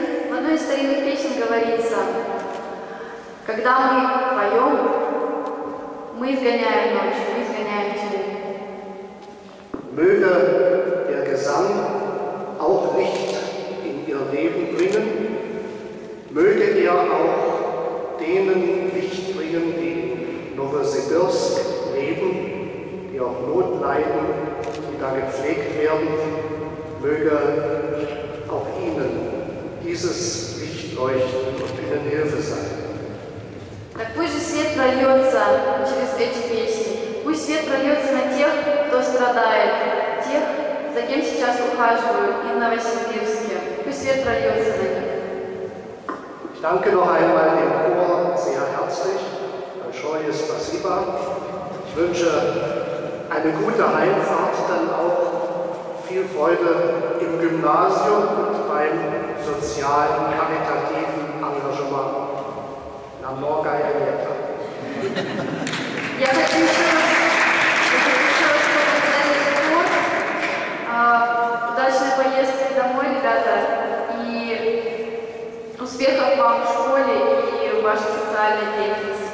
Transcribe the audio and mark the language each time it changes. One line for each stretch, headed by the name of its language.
Russian: В одной из старинных песен говорится, когда мы поем, мы изгоняем ночь, мы изгоняем тьму.
German: Möge der Gesang auch Licht in ihr Leben bringen, möge er auch denen Licht bringen, die in Novosibirsk leben, die auch Not leiden, die da gepflegt werden, möge auch ihnen dieses Licht leuchten und ihnen Hilfe sein.
Russian: Так пусть же свет прольется через эти песни. Пусть свет прольется на тех, кто страдает, тех, за кем сейчас ухаживают и в Новосибирске. Пусть свет прольется на них.
German: Ich danke noch einmal dem Chor sehr herzlich.
Russian: Большое спасибо.
German: Ich wünsche eine gute Heimfahrt dann auch. Viel Freude im Gymnasium und beim sozialen, karitativen Engagement. La morga e lieta.
Russian: Я хочу еще раз поблагодарить хор. Удачной поездки домой, ребята, и успехов вам в школе и в вашей социальной деятельности.